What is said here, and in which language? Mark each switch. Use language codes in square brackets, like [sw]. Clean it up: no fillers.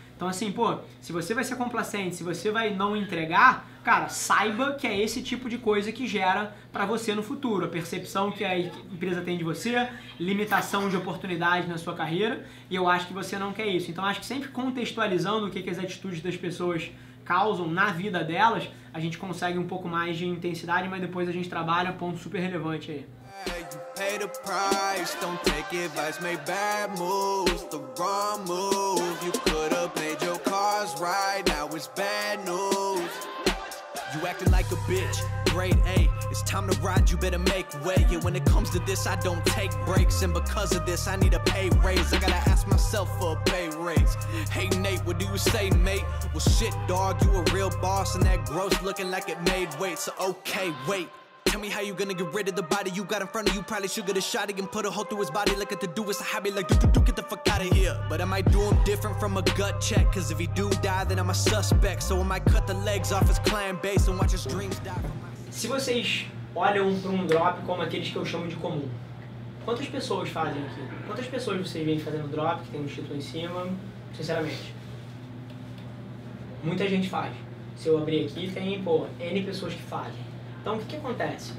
[pt] Então, assim, pô, se você vai ser complacente, se você vai não entregar, cara, saiba que é esse tipo de coisa que gera para você no futuro. A percepção que a empresa tem de você, limitação de oportunidade na sua carreira, e eu acho que você não quer isso. Então, acho que sempre contextualizando o que as atitudes das pessoas causam na vida delas, a gente consegue um pouco mais de intensidade, mas depois a gente trabalha, ponto super relevante aí. [en] You pay the price, don't take advice, make bad moves, the wrong move. You could have played your cards right, now it's bad news. You acting like a bitch, grade A. It's time to ride, you better make way. Yeah, when it comes to this, I don't take breaks. And because of this, I need a pay raise. I gotta ask myself for a pay raise. Hey, Nate, what do you say, mate? Well, shit, dog, you a real boss. And that gross looking like it made weight. So, okay, wait. Tell me how you gonna get rid of the body you got in front of you. Probably should get a shot again, put a hole through his body. Like a to-do, it's a hobby, like do-do-do, get the fuck out of here. But I might do him different from a gut check. Cause if he do die, then I'm a suspect. So I might cut the legs off his clan base and watch his dreams die. [pt] Se vocês olham pra drop como aqueles que eu chamo de comum, quantas pessoas fazem aqui? Quantas pessoas vocês vêm fazendo drop, que tem um título em cima? Sinceramente, muita gente faz. Se eu abrir aqui, tem, pô, N pessoas que fazem. Então, o que acontece?